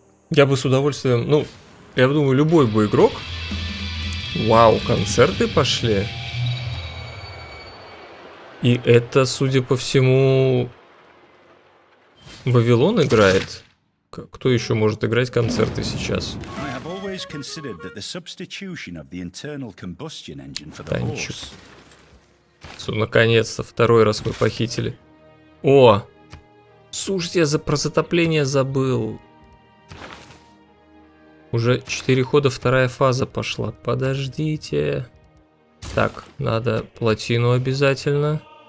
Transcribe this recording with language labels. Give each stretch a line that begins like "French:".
Russian: Я бы с удовольствием, ну, я думаю, любой бы игрок. Вау, концерты пошли. И это, судя по всему, Вавилон играет. Кто еще может играть концерты сейчас?
English: Considered that the substitution of the internal combustion engine for the horse.
Russian: Все, наконец-то, второй раз мы похитили. О! Слушайте, я про затопление забыл. Уже 4 хода, вторая фаза пошла. Подождите. Так, надо плотину обязательно.